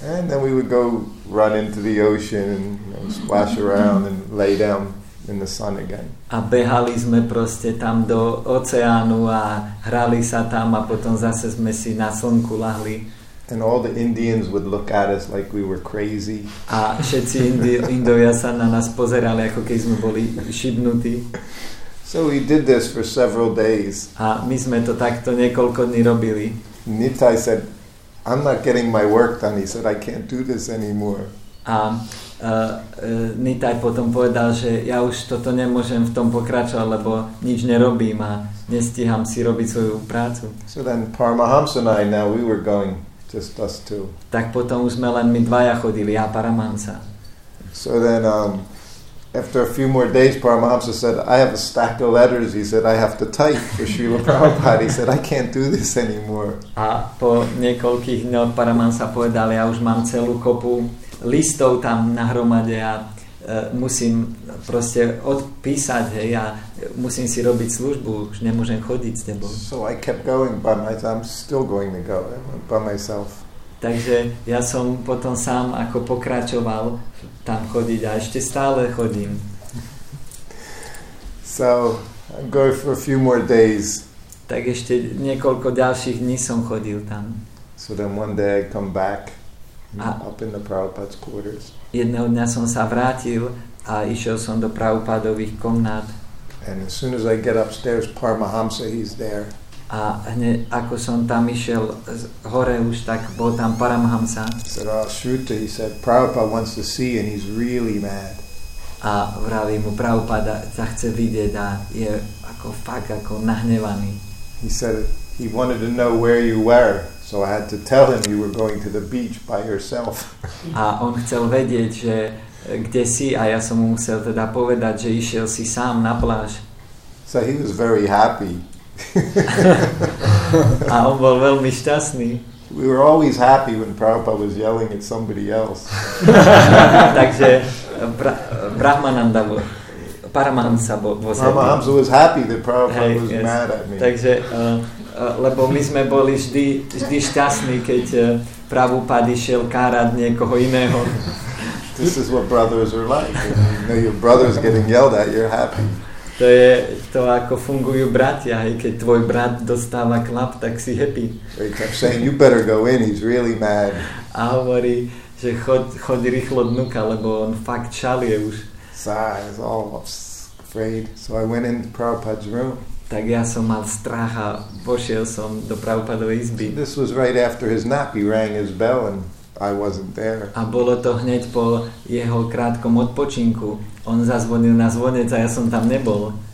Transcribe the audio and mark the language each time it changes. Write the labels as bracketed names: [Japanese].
[English] And then we would go run into the ocean and splash around and lay down in the sun again. [Slovak] A behali sme proste tam do oceánu a hrali sa tam a potom zase sme si na slnku lahli. [English] And all the Indians would look at us like we were crazy. [Slovak] A všetci Indovia sa na nás pozerali, ako keď sme boli šibnutí. [English] So we did this for several days. [Slovak] A my sme to takto niekoľko dní robili. [English] Nitai said, I'm not getting my work done. He said, I can't do this anymore. [Slovak] A Nitai potom povedal, že ja už toto nemôžem v tom pokračovať, lebo nič nerobím a nestíham si robiť svoju prácu. [English] So then Paramahamsa and I, now we were going, just us two. [Slovak] Tak potom už sme len my dvaja chodili, ja Paramahamsa. [English] So then after a few more days, Paramahamsa said, I have a stack of letters, he said, I have to type for Srila Prabhupada. He said, I can't do this anymore. [Slovak] A po niekoľkých dňoch Paramahamsa povedal, ja už mám celú kopu listov tam nahromade a musím proste odpísať, hej, a musím si robiť službu, už nemôžem chodiť s tebou. [English] So I kept going by myself, I'm still going to go by myself. [Slovak] Takže ja som potom sám ako pokračoval tam chodiť a ešte stále chodím. [English] So I'm going for a few more days. [Slovak] Tak ešte niekoľko ďalších dní som chodil tam. [English] So then one day I come back up in the Prabhupada's quarters. [Slovak] Jedného dňa som sa vrátil a išiel som do Prabhupadových komnát. [English] And as soon as I get upstairs, Paramahamsa, he's there. [Slovak] A hneď ako som tam išiel hore už, tak bol tam Paramahamsa. [English] Said, oh, Shruta, he said, Prabhupada wants to see and he's really mad. [Slovak] A vraví mu, Prabhupada sa chce vidieť a je ako fakt, ako nahnevaný. [English] He said, he wanted to know where you were, so I had to tell him you were going to the beach by yourself. [Slovak] A on chcel vedieť, že kde si, a ja som mu musel teda povedať, že išiel si sám na pláž. [English] So he was very happy. [Slovak] A on bol veľmi šťastný. [English] We were always happy when Prabhupada was yelling at somebody else. [Slovak] Takže Brahmananda bol, Paramahamsa bol vozený. [English] Paramahamsa was happy that Prabhupada was mad at me. [Slovak] Takže, lebo my sme boli vždy šťastní, keď Prabhupada išiel kárať niekoho iného. [English] This is what brothers are like. You know, your brother's getting yelled at, you're happy. [Slovak] To je to, ako fungujú bratia, hej, keď tvoj brat dostáva klap, tak si happy. [English] He kept saying, you better go in, he's really mad. [Slovak] A hovorí, že choď rýchlo dnuka, lebo on fakt šalie už. [English] So I was all afraid. So I went in the Prabhupada's room. [Slovak] Tak ja som mal strach a pošiel som do Prabhupadovej izby. [English] So this was right after his nap, he rang his bell and I wasn't there. [Slovak] A bolo to hneď po jeho krátkom odpočinku. On zazvonil na zvonec a ja som tam nebol.